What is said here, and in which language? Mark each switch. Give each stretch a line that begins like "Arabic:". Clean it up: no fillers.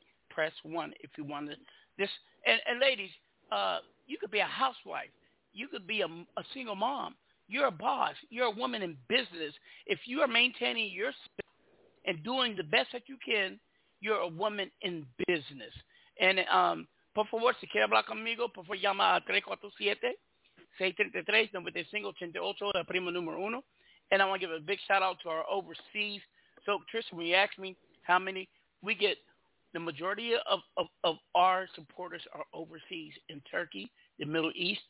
English: Press 1 if you want to. And ladies, you could be a housewife. You could be a single mom. You're a boss. You're a woman in business. If you are maintaining your space and doing the best that you can, you're a woman in business.
Spanish: And por favor, si quiere hablar conmigo, por favor, llama a 347-633-9588, the primo número uno.
English: And I want to give a big shout-out to our overseas. So, Trisha, when you ask me how many, we get the majority of our supporters are overseas in Turkey, the Middle East.